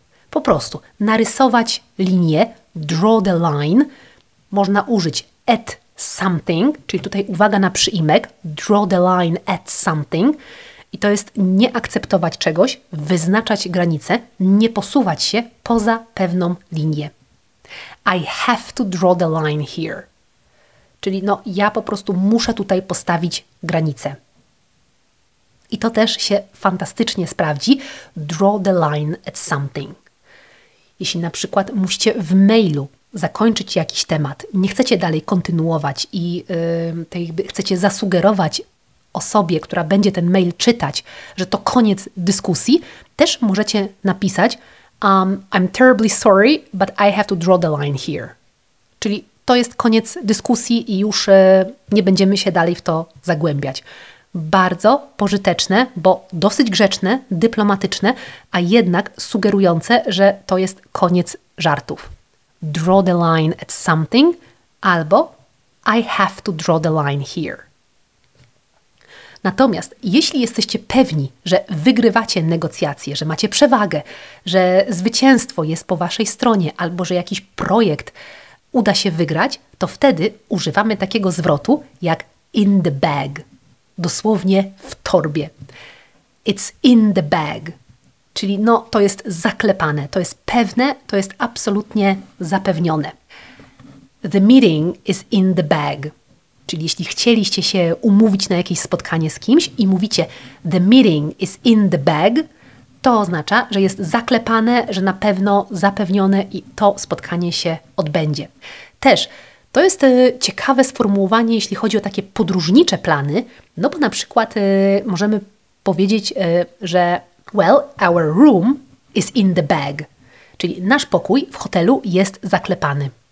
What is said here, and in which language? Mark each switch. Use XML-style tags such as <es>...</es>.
<pl>Po prostu narysować linię, draw the line, można użyć at something, czyli tutaj uwaga na przyimek, draw the line at something. I to jest nie akceptować czegoś, wyznaczać granice, nie posuwać się poza pewną linię.</pl> <en>I have to draw the line here.</en> <pl>Czyli no, ja po prostu muszę tutaj postawić granicę. I to też się fantastycznie sprawdzi, draw the line at something. Jeśli na przykład musicie w mailu zakończyć jakiś temat, nie chcecie dalej kontynuować i chcecie zasugerować osobie, która będzie ten mail czytać, że to koniec dyskusji, też możecie napisać</pl> <en>I'm terribly sorry, but I have to draw the line here.</en> <pl>Czyli to jest koniec dyskusji i już nie będziemy się dalej w to zagłębiać. bardzo pożyteczne, bo dosyć grzeczne, dyplomatyczne, a jednak sugerujące, że to jest koniec żartów.</pl> <en>Draw the line at something albo I have to draw the line here.</en> <pl>Natomiast jeśli jesteście pewni, że wygrywacie negocjacje, że macie przewagę, że zwycięstwo jest po waszej stronie albo że jakiś projekt uda się wygrać, to wtedy używamy takiego zwrotu jak in the bag. Dosłownie w torbie.</pl> <en>It's in the bag.</en> <pl>Czyli no, to jest zaklepane, to jest pewne, to jest absolutnie zapewnione.</pl> <en>The meeting is in the bag.</en> <pl>Czyli jeśli chcieliście się umówić na jakieś spotkanie z kimś i mówicie</pl> <en>the meeting is in the bag,</en> <pl>to oznacza, że jest zaklepane, że na pewno zapewnione i to spotkanie się odbędzie. Też to jest ciekawe sformułowanie, jeśli chodzi o takie podróżnicze plany, no bo na przykład możemy powiedzieć, że</pl> <en>well, our room is in the bag,</en> <pl>czyli nasz pokój w hotelu jest zaklepany.</pl>